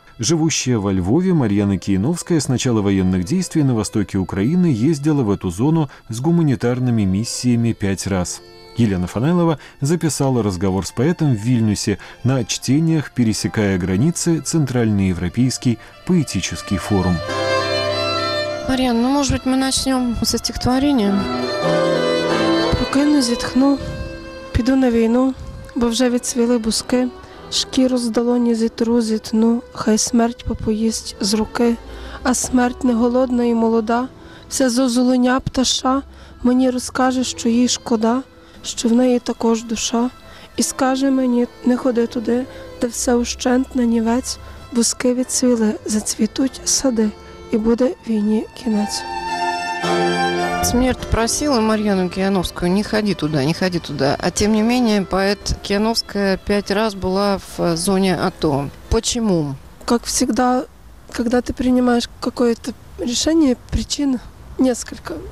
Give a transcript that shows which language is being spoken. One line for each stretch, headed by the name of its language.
Russian: Живущая во Львове, Марьяна Кияновская с начала военных действий на востоке Украины ездила в эту зону с гуманитарными миссиями 5 раз. Елена Фанайлова записала разговор с поэтом в Вильнюсе на чтениях «Пересекая границы. Центральноевропейский поэтический форум». Марьяна, ну, может быть, мы начнем со стихотворения?
Ukrainian: «Покину, зітхну, піду на війну, бо вже відцвіли буски, шкіру з долоні зітру, зітну, хай смерть попоїсть з руки, а смерть не голодна і молода, вся зозулення пташа, мені розкаже, що їй шкода, що в неї також душа, і скаже мені, не ходи туди, де все ущент на нівець, буски відцвіли, зацвітуть сади».
Russian: И будет войне кинец. Смерть просила Марьяну Кияновскую: не ходи туда, не ходи туда. А тем не менее, поэт Кияновская 5 раз была в зоне АТО. Почему? Как всегда, когда ты принимаешь какое-то решение, причин несколько.